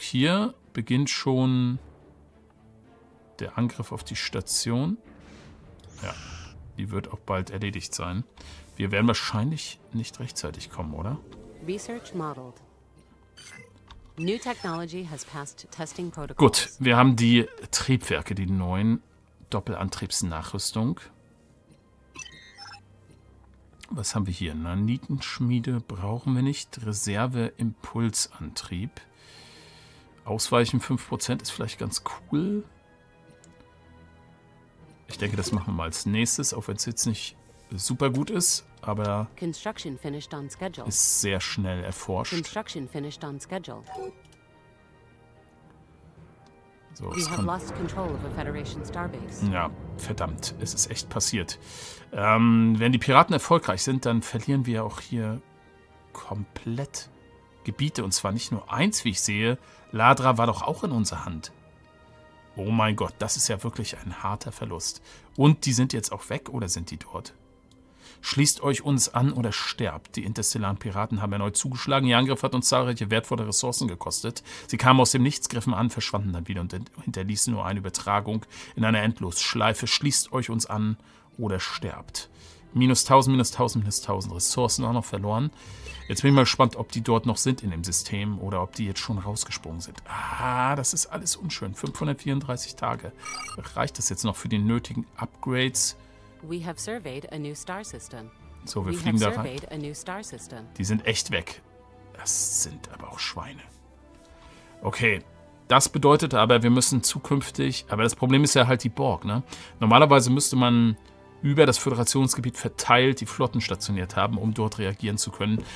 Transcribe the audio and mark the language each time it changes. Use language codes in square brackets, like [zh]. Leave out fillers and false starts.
[de] Hier beginnt schon der Angriff auf die Station. Ja, die wird auch bald erledigt sein. Wir werden wahrscheinlich nicht rechtzeitig kommen, oder? [en] Research modeled. New technology has passed testing protocols. [de] Gut, wir haben die Triebwerke, die neuen Doppelantriebsnachrüstung. Was haben wir hier? Nanitenschmiede brauchen wir nicht. Reserveimpulsantrieb. Ausweichen 5% ist vielleicht ganz cool. Ich denke, das machen wir mal als nächstes, auch wenn es jetzt nicht super gut ist. Aber [en] Construction finished on schedule. [de] Ist sehr schnell erforscht. [en] Construction finished on schedule. [de] So, es kann... [en] lost control of a Federation Starbase. [de] Ja, verdammt, es ist echt passiert. Wenn die Piraten erfolgreich sind, dann verlieren wir auch hier komplett Gebiete. Und zwar nicht nur eins, wie ich sehe. Ladra war doch auch in unserer Hand. Oh mein Gott, das ist ja wirklich ein harter Verlust. Und die sind jetzt auch weg oder sind die dort? Schließt euch uns an oder sterbt. Die interstellaren Piraten haben erneut zugeschlagen. Ihr Angriff hat uns zahlreiche wertvolle Ressourcen gekostet. Sie kamen aus dem Nichts, griffen an, verschwanden dann wieder und hinterließen nur eine Übertragung in einer Endlosschleife. Schließt euch uns an oder sterbt. -1000, -1000, -1000 Ressourcen auch noch verloren. Jetzt bin ich mal gespannt, ob die dort noch sind in dem System oder ob die jetzt schon rausgesprungen sind. Ah, das ist alles unschön. 534 Tage. Reicht das jetzt noch für die nötigen Upgrades? [en] We have surveyed a new star system. [de] So, wir fliegen da rein. Die sind echt weg. Das sind aber auch Schweine. Okay, das bedeutet aber, wir müssen zukünftig... Aber das Problem ist ja halt die Borg, ne? Normalerweise müsste man über das Föderationsgebiet verteilt die Flotten stationiert haben, um dort reagieren zu können.